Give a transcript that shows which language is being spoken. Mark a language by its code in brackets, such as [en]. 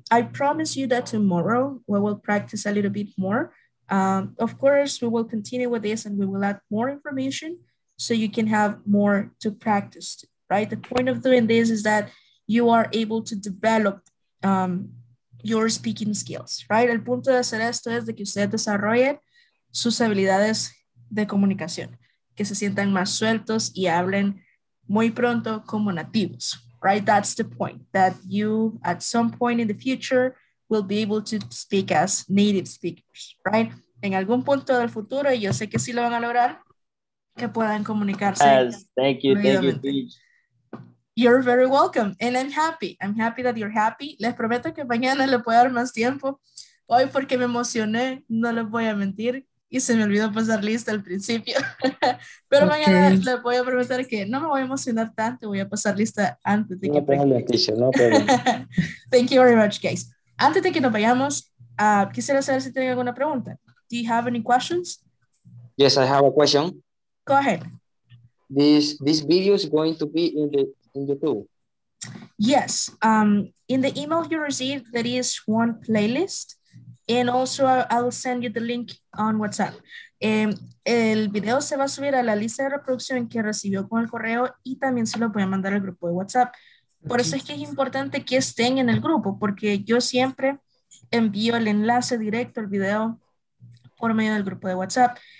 [en] I promise you that tomorrow we will practice a little bit more. Of course, we will continue with this and we will add more information so you can have more to practice too. Right. The point of doing this is that you are able to develop your speaking skills. Right. [es] El punto de hacer esto es de que usted desarrolle sus habilidades de comunicación. que se sientan más sueltos y hablen muy pronto como nativos, right? [en] That's the point, that you at some point in the future will be able to speak as native speakers, right? [es] En algún punto del futuro, y yo sé que sí lo van a lograr, que puedan comunicarse. [en] Yes, thank you, fluidamente. Thank you, teach. You're very welcome, and I'm happy. I'm happy that you're happy. [es] Les prometo que mañana le puedo dar más tiempo. Hoy porque me emocioné, no les voy a mentir, y se me olvidó pasar lista al principio. Pero okay, mañana les voy a prometer que no me voy a emocionar tanto, voy a pasar lista antes de no [en] que... Thank you very much, guys. [es] Antes de que nos vayamos, quisiera saber si tienen alguna pregunta. [en] Do you have any questions? Yes, I have a question. Go ahead. This video is going to be in the... YouTube. Yes, in the email you received, there is one playlist, and also I'll send you the link on WhatsApp. [es] El video se va a subir a la lista de reproducción que recibió con el correo, y también se lo voy a mandar al grupo de WhatsApp. Por eso es que es importante que estén en el grupo, porque yo siempre envío el enlace directo al video por medio del grupo de WhatsApp.